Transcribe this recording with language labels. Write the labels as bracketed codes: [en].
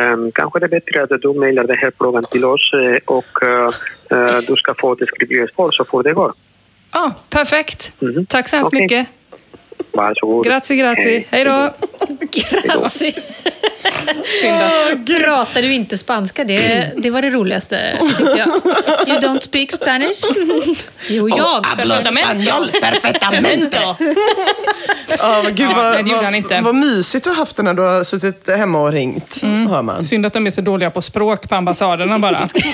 [sv] Kanske det är bättre att du mejlar den här frågan till oss och du ska få ett skrivet svar så får det gå. Ja, oh, perfekt. Mm-hmm. Tack så hemskt mycket. Varsågod. [it] Grazie, grazie. [sv] Hej då. [it] Grazie. [sv] Pratar du inte spanska? Det var det roligaste, tycker jag. [en] You don't speak Spanish? [sv] Jo, jag. [es] Hablo español perfectamente. [sv] Vad mysigt du har haft när du har suttit hemma och ringt, hör man. Synd att de är så dåliga på språk på ambassaderna bara.